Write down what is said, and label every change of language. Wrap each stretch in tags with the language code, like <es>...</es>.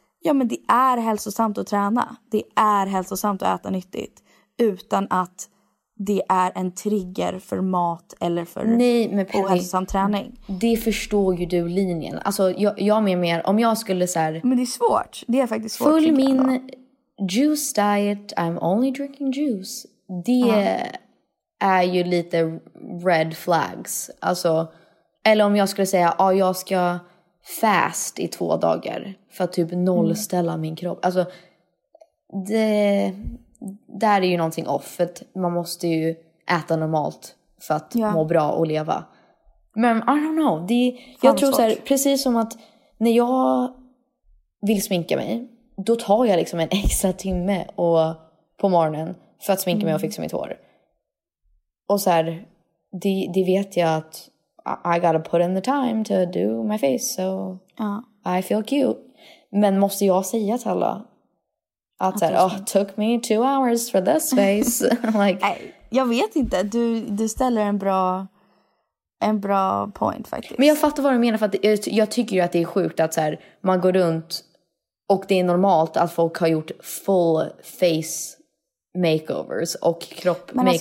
<sv>Ja, men det är hälsosamt att träna. Det är hälsosamt att äta nyttigt. Utan att det är en trigger för mat eller för ohälsosam träning. Det förstår ju du linjen. Alltså, jag menar mer, om jag skulle så här... Men det är svårt. Det är faktiskt svårt. Full min</sv> <en>juice diet, I'm only drinking juice.</en> <sv>Det är ju lite</sv> <en>red flags.</en> <sv>Alltså, eller om jag skulle säga, ja, jag ska fast i 2 dagar. För att typ nollställa min kropp. Alltså, det... Där är ju någonting off, för att man måste ju äta normalt för att må bra och leva. Men</sv> <en>I don't know.</en> <sv>Det är, jag tror så här, precis som att när jag vill sminka mig, då tar jag liksom en extra timme och, på morgonen för att sminka mig och fixa mitt hår. Och så här, det vet jag att</sv> <en>I gotta put in the time to do my face, so I feel cute.</en> <sv>Men måste jag säga till alla... Att säga,</sv> <en>oh, took me 2 hours for this face. Like,</en> <sv>jag vet inte, du ställer en bra point faktiskt. Men jag fattar vad du menar, för att jag tycker ju att det är sjukt att så här, man går runt och det är normalt att folk har gjort full face makeovers och kropp makeovers.</sv>